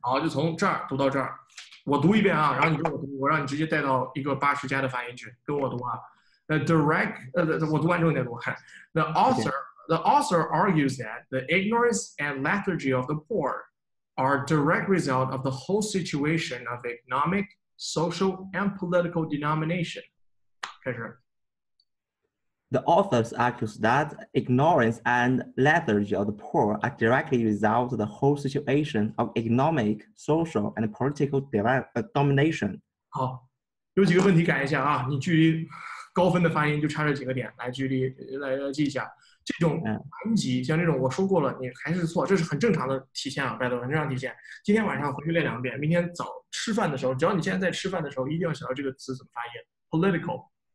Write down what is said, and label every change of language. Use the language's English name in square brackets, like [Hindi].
[Chinese] 好就从这儿读到这儿我读一遍啊然后你跟我读我让你直接带到一个八十加的发音去跟我读啊。 [English] The author argues that the ignorance and lethargy of the poor are direct result of the whole situation of economic, social, and political denomination. [Chinese] 开始。 [English] The authors accuse that ignorance and lethargy of the poor are directly result of the whole situation of economic, social, and political domination. [Chinese] 好，有几个问题改一下啊，你距离高分的发音就差这几个点，来距离 来记一下。这种残疾，像这种我说过了，你还是错，这是很正常的体现啊，拜托，很正常体现。今天晚上回去练两遍，明天早吃饭的时候，只要你现在在吃饭的时候，一定要想到这个词怎么发音 ，political。